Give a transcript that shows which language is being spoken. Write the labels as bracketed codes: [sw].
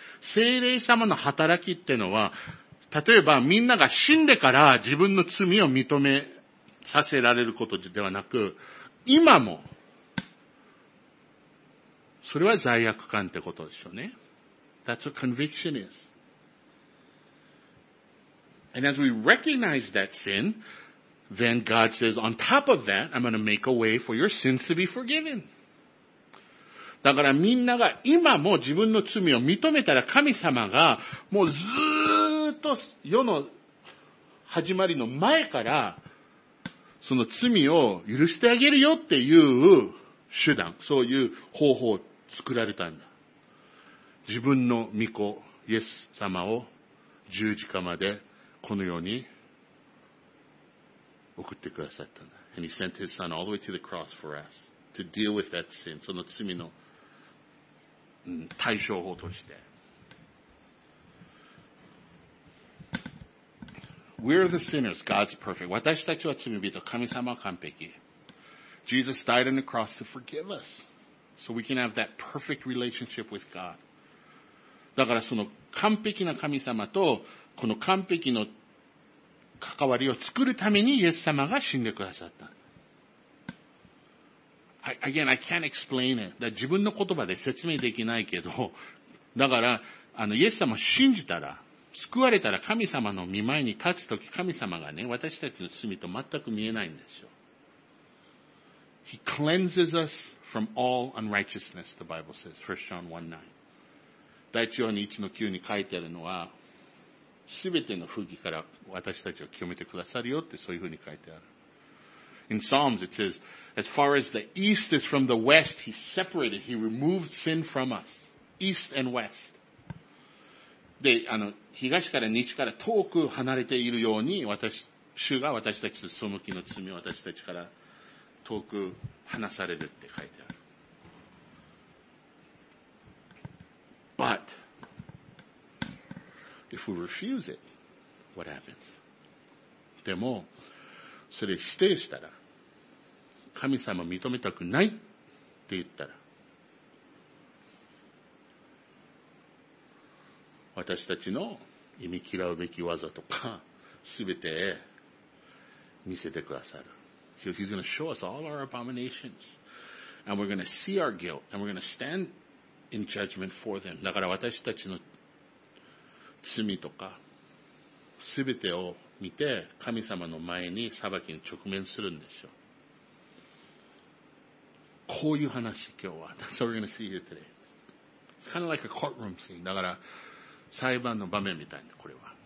[ja] 聖霊様の働きってのは、例えばみんなが死んでから自分の罪を認めさせられることではなく、今も。それは罪悪感ってことでしょうね。 [en] That's what conviction is. And as we recognize that sin,Then God says, on top of that, I'm going to make a way for your sins to be forgiven. [ja] だからみんなが今も自分の罪を認めたら神様がもうずーっと世の始まりの前からその罪を許してあげるよっていう手段、そういう方法を作られたんだ。自分の御子、イエス様を十字架までこのように送ってくださったんだ。 [en] And he sent his son all the way to the cross for us to deal with that sin. [ja] その罪の、対処法として。 [en] We're the sinners. God's perfect. [ja] 私たちは罪人。神様は完璧。 [en] Jesus died on the cross to forgive us. So we can have that perfect relationship with God. [ja] だからその完璧な神様と、この完璧の関わりを作るためにイエス様が死んでくださった。 [en] Again, I can't explain it. [ja] だ自分の言葉で説明できないけど、だから、イエス様を信じたら、救われたら神様の御前に立つとき、神様がね、私たちの罪と全く見えないんですよ。 [en] He cleanses us from all unrighteousness, the Bible says, 1 John 1:9. [ja] 第一ヨハネ1の9に書いてあるのは、すべての不義から私たちを清めてくださるよってそういうふうに書いてある。 [en] In Psalms it says, as far as the east is from the west, he separated, he removed sin from us. East and west. [ja] で、東から西から遠く離れているように、主が私たちの背きの罪を私たちから遠く離されるって書いてある。 [en] But,If we refuse it, what happens? [ja] でも、それ否定したら、神様認めたくないって言ったら、私たちの忌み嫌うべき技とか、すべて見せてくださる。 [en] So、he's going to show us all our abominations, and we're going to see our guilt, and we're going to stand in judgment for them. [ja] だから私たちの罪とか、すべてを見て神様の前に裁きに直面するんですよ。こういう話今日は。 [en] That's what we're gonna see here today. It's kind of like a courtroom scene. [ja] だから裁判の場面みたいな、これは。